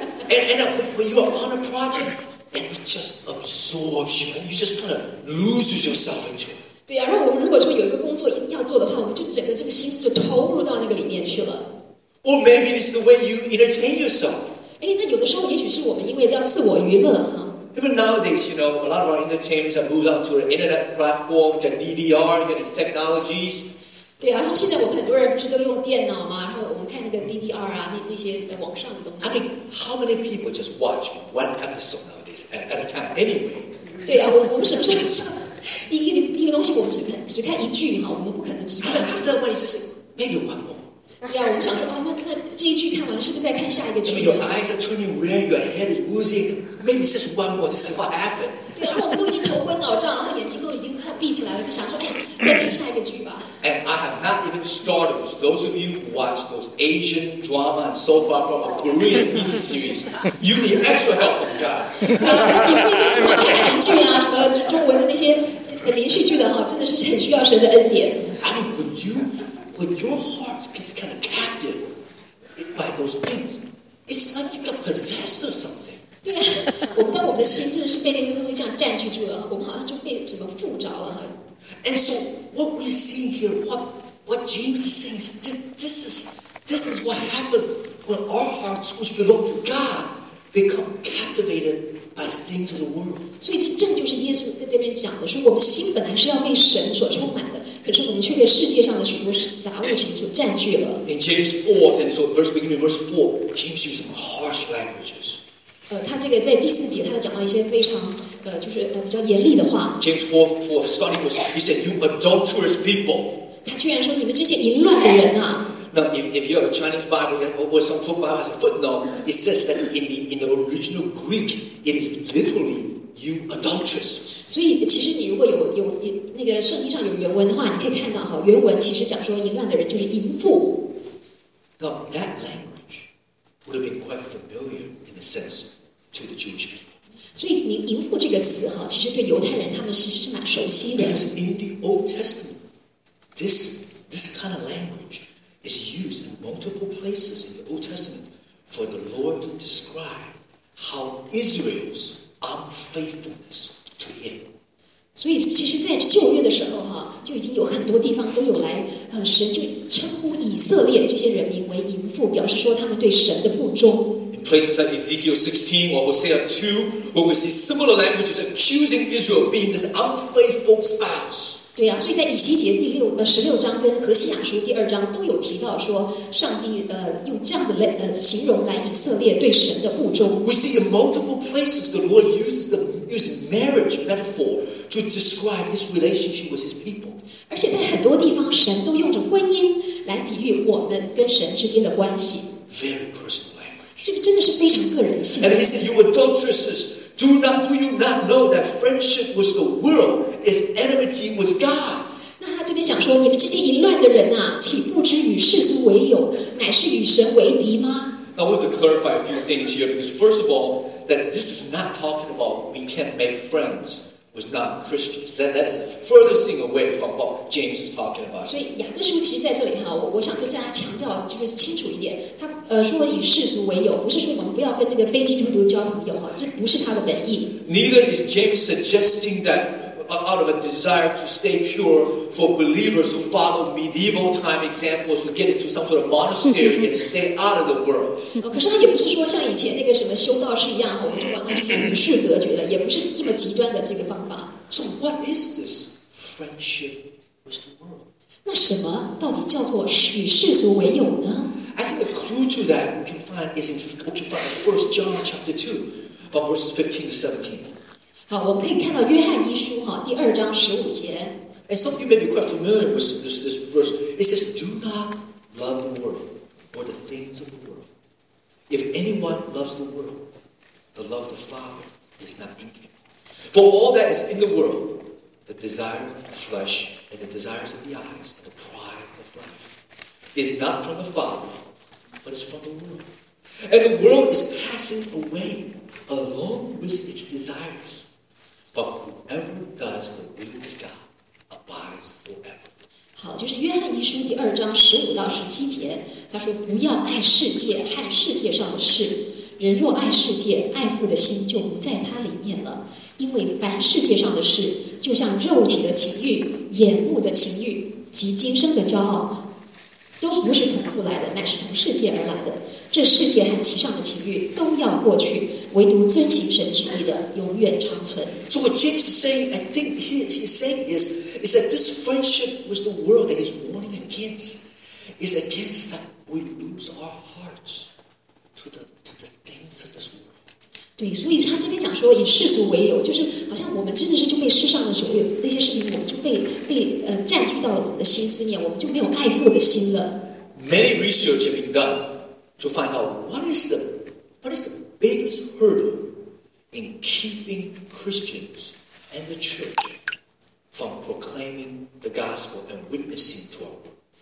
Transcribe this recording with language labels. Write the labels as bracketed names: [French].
[English] And when you are on a project, and it just absorbs you, and you just kind of lose yourself into it. [Chinese] 对呀，然后我们如果说有一个工作要做的话，我们就整个这个心思就投入到那个里面去了。 [English] Or maybe it's the way you entertain yourself. [Chinese] 哎，那有的时候也许是我们因为要自我娱乐哈。 [English] Even nowadays, you know, a lot of our entertainers have moved on to the internet platform, get DVR, get these technologies. [Chinese] 对啊，然后现在我们很多人不是都用电脑吗？然后我们看那个 DVR 啊，那些网上的东西。 [English] I mean, how many people just watch one episode nowadays at a time anyway? [Chinese] 对啊，我们什么时候一个东西我们只看一句哈，我们不可能只看。 [English] I mean, after one, it's just maybe one more. [Chinese] 对呀、啊，我们想说啊，那这一句看完了，是不是再看下一个句子 [English] ？Your eyes are turning red, your head is losing. Maybe just one more to see what happened. [Chinese] 对、啊，然后我们都已经头昏脑胀，然后眼睛都已经快闭起来了，就想说，哎，再看下一个句吧。 [English] And I have not even started. Those of you who watch those Asian drama and soap opera or Korean mini series, you need extra help from God. [Chinese] 你们那些什么看韩剧啊，什么中文的那些连续剧的哈，真的是很需要神的恩典。 [English] I mean, when your heart gets kind of captive by those things, it's like you got possessed or something. [Chinese] 对啊，我们当我们的心真的是被那些东西这样占据住了，我们好像就被什么附着了哈。 [English] And so what we see here, what James is saying is this is what happened when our hearts, which belong to God, become captivated by the things of the world. [Chinese] 所以这正就是耶稣在这边讲的，说我们心本来是要被神所充满的。可是我们却被世界上的许多杂物情所占据了。 [English] In James 4, and so verse beginning of verse 4, James used some harsh languages. [Chinese] 他这个在第四节，他要讲到一些非常就是比较严厉的话。 [English] James 4, starting verse, he said, "You adulterous people." [Chinese] 他居然说你们这些淫乱的人啊！ [English] Now, if you have a Chinese Bible or some folk Bible, as a footnote, it says that in the original Greek, it is literally you adulterous. [Chinese] 所以其实你如果有那个圣经上有原文的话，你可以看到哈，原文其实讲说淫乱的人就是淫妇。 [English] Now that language would have been quite familiar in a sense to the Jewish people. [Chinese] 所以淫淫妇这个词哈，其实对犹太人他们其实是蛮熟悉的。 [English] Because in the Old Testament, this kind of language is used in multiple places in the Old Testament for the Lord to describe how Israel's unfaithfulness to Him. [Chinese] 所以其实在旧约的时候哈，就已经有很多地方都有来神就称呼以色列这些人民为淫妇，表示说他们对神的不忠。 [English] In places like Ezekiel 16 or Hosea 2 where we see similar languages accusing Israel being this unfaithful spouse. [Chinese] 对啊，所以在以西结第六十六章跟何西雅书第二章都有提到说上帝用这样的形容来以色列对神的不忠。 [English] We see in multiple places the Lord uses marriage metaphor to describe his relationship with his people. [Chinese] 而且在很多地方，神都用着婚姻来比喻我们跟神之间的关系。 [English] Very personal language. [Chinese] 这个真的是非常个人性。 [English] And he said, "You adulteresses, do you not know that friendship with the world is enmity with God?" [Chinese] 那他这边讲说，你们这些淫乱的人啊，岂不知与世俗为友，乃是与神为敌吗？ [English] Now we have to clarify a few things here, because first of all. That this is not talking about we can't make friends with non-Christians. That is the furthest thing away from what James is talking about. [Chinese] 所以雅各书其实在这里哈，我想跟大家强调就是清楚一点，他说以世俗为友，不是说我们不要跟这个非基督徒交朋友哈，这不是他的本意。 [English] Neither is James suggesting that out of a desire to stay pure for believers who follow medieval time examples to get into some sort of monastery and stay out of the world. [Chinese] 可是他也不是说像以前那个什么修道士一样，我们就完全是与世隔绝了，也不是这么极端的这个方法。 [English] So what is this friendship with the world? [Chinese] 那什么到底叫做与世俗为友呢？ [English] I think a clue to that we can find is in 1 John chapter 2, from verses 15 to 17. [Chinese] 好，我们可以看到约翰一书哈第二章十五节。 [English] And some of you may be quite familiar with this verse. It says, "Do not love the world or the things of the world. If anyone loves the world, the love of the Father is not in him. For all that is in the world, the desires of the flesh and the desires of the eyes and the pride of life, is not from the Father, but is from the world. And the world is passing away along with its desires." But whoever does the will of God abides forever. [Chinese] 好，就是约翰一书第二章十五到十七节，他说：“不要爱世界和世界上的事。人若爱世界，爱父的心就不在他里面了。因为凡世界上的事，就像肉体的情欲、眼目的情欲及今生的骄傲，都不是从父来的，乃是从世界而来的。这世界和其上的情欲都要过去。” 唯独遵行神旨意的永远长存。 [English] So what James is saying, I think he's saying is that this friendship with the world that he's warning against is against that we lose our hearts to the things of this world. [Chinese] 对，所以他这边讲说以世俗为友，就是好像我们真的是就被世上的所有那些事情，我们就被占据到了我们的心思念，我们就没有爱父的心了。 [English] Many research have been done to find out what is the biggest hurdle in keeping Christians and the church from proclaiming the gospel and witnessing to our world.